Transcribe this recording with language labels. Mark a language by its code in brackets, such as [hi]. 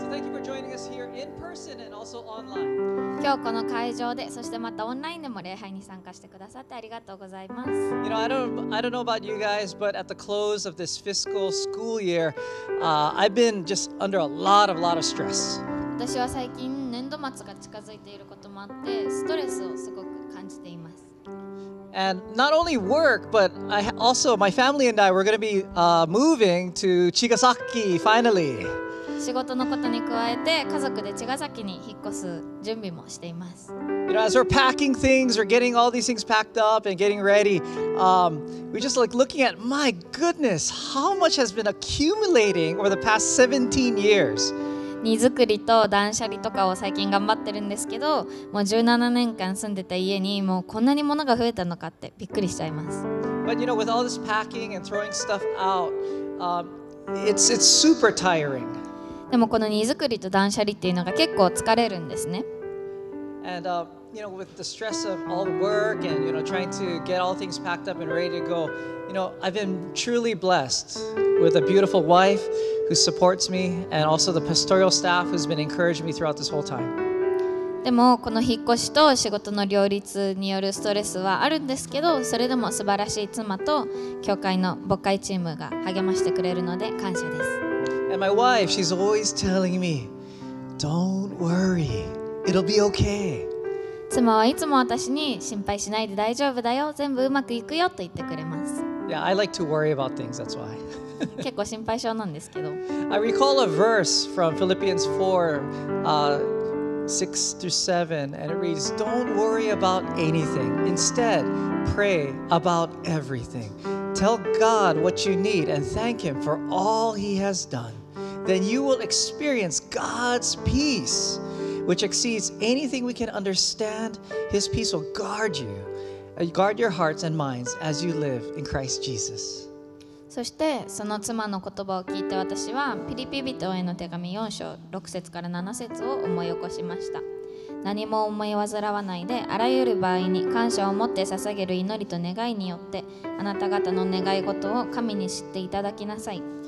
[en] So thank you for joining us here in person and also online. [ja] 今日この会場で、そしてまたオンラインでも礼拝に参加してくださってありがとうございます。 [en] You know, I don't know about you guys, but at the close of this fiscal school year, I've been just under a lot of stress. [ja] 私は最近年度末が近づいていることもあって、ストレスをすごく感じています。 [en] And not only work, but I also my family and I we're going to be moving to Chigasaki finally. [ja] 仕事のことに加えて家族で茅ヶ崎に引っ越す準備もしています。 [en] You know, as we're packing things, we're getting all these things packed up and getting ready. We're just like looking at my goodness, how much has been accumulating over the past 17 years. [ja] 荷造りと断捨離とかを最近頑張ってるんですけど、もう17年間住んでた家にもうこんなに物が増えたのかってびっくりしちゃいます。 [en] But you know, with all this packing and throwing stuff out, it's super tiring. [ja] でもこの荷造りと断捨離っていうのが結構疲れるんですね。 [en] And, you know, with the stress of all the work and, you know, trying to get all things packed up and ready to go, you know, I've been truly blessed with a beautiful wife. Who supports me and also the pastoral staff who's been encouraging me throughout this whole time. [ja] でもこの引っ越しと仕事の両立によるストレスはあるんですけど、それでも素晴らしい妻と教会の牧会チームが励ましてくれるので感謝です。 [en] And my wife, she's always telling me, "Don't worry, it'll be okay." [ja] 妻はいつも私に心配しないで大丈夫だよ、全部うまくいくよと言ってくれます。 [en] Yeah, I like to worry about things. That's why. [ja] 結構心配性なんですけど。 [en] I recall a verse from Philippians 4:6-7, and it reads, "Don't worry about anything. Instead, pray about everything. Tell God what you need and thank Him for all He has done. Then you will experience God's peace, which exceeds anything we can understand. His peace will guard your hearts and minds as you live in Christ Jesus." [ja] そしてその妻の言葉を聞いて私はピリピ人への手紙4章6節から7節を思い起こしました。何も思い煩わないであらゆる場合に感謝を持って捧げる祈りと願いによってあなた方の願い事を神に知っていただきなさい。